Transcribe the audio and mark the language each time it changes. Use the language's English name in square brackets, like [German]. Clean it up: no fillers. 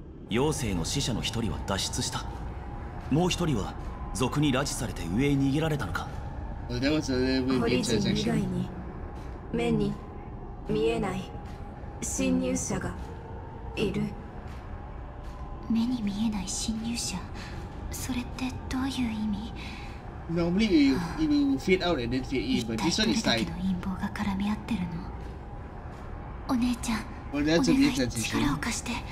[Japanese] 妖精の死者の一人は脱出した。もう一人は賊に拉致されて上へ逃げられたのか。ホリジン以外に目に見えない 侵入者がいる。目に見えない侵入者。それってどういう意味。 [English] Normally you fade out and then fade in, but this one is tied. [Japanese] 一体どれだけの陰謀が絡み合ってるの。お姉ちゃん、お願い力を貸して。